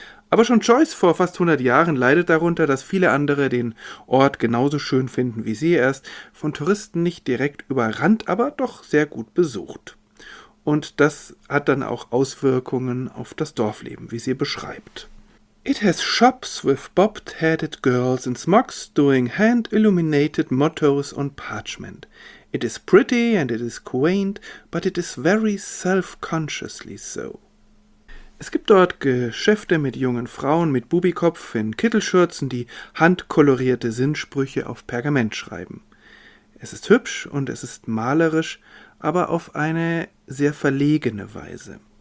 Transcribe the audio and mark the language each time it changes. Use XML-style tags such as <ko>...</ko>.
<de>Aber schon Joyce vor fast 100 Jahren leidet darunter, dass viele andere den Ort genauso schön finden wie sie. Er ist von Touristen nicht direkt überrannt, aber doch sehr gut besucht. Und das hat dann auch Auswirkungen auf das Dorfleben, wie sie beschreibt.</de> <en>It has shops with bobbed-headed girls in smocks doing hand-illuminated mottos on parchment. It is pretty and it is quaint, but it is very self-consciously so.</en> <de>Es gibt dort Geschäfte mit jungen Frauen mit Bubikopf in Kittelschürzen, die handkolorierte Sinnsprüche auf Pergament schreiben. Es ist hübsch und es ist malerisch, aber auf eine sehr verlegene Weise.</de>